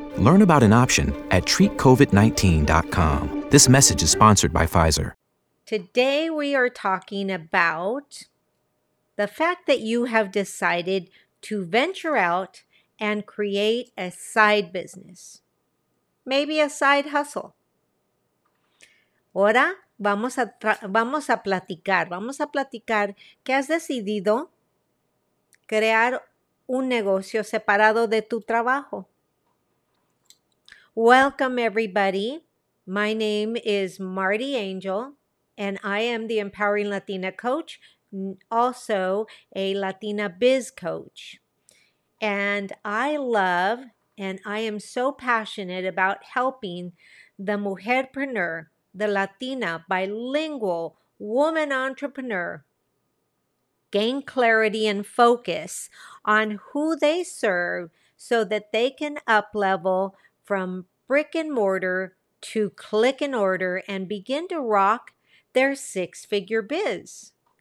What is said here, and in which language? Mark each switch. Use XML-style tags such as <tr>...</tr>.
<en>Learn about an option at treatcovid19.com. This message is sponsored by Pfizer. Today we are talking about the fact that you have decided to venture out and create a side business, maybe a side hustle.</en> <es>Ahora vamos a platicar que has decidido crear un negocio separado de tu trabajo.</es> <en>Welcome, everybody. My name is Marty Angel, and I am the Empowering Latina Coach, also a Latina Biz Coach. And I love and I am so passionate about helping the mujerpreneur, the Latina bilingual woman entrepreneur, gain clarity and focus on who they serve so that they can up-level from brick and mortar to click and order and begin to rock their six-figure biz.</en>